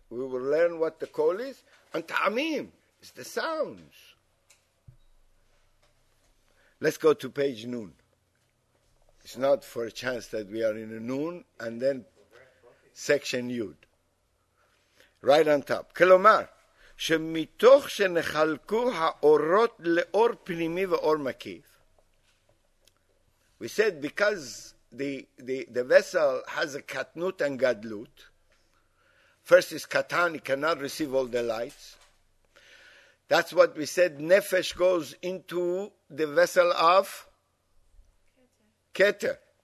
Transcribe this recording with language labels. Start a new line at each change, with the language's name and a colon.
English: We will learn what the call is. And Ta'amim is the sounds. Let's go to page Nun. It's not for a chance that we are in a Nun and then section Yud. Right on top. Kelomar.
Hebrew: שמתוך שנחלקו האורות לאור פנימי ואור מקיף.
English: We said because the vessel has a katnut and gadlut. First is katan, it cannot receive all the lights. That's what we said, nefesh goes into the vessel of? Keter.